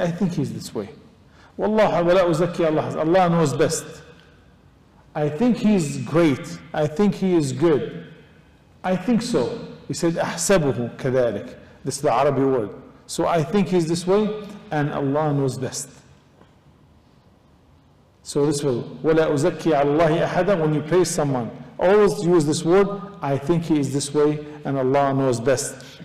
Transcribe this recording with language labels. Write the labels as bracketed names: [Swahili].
[English] I think he's this way. [Arabic] والله ولا أزكي الله. [English] Allah knows best. I think he's great. I think he is good. I think so. He said, [Arabic] أحسبه كذلك. [English] This is the Arabic word. So I think he's this way, and Allah knows best. So this will, [Arabic] ولا أزكي على الله أحدا. [English] When you praise someone, always use this word, I think he is this way, and Allah knows best.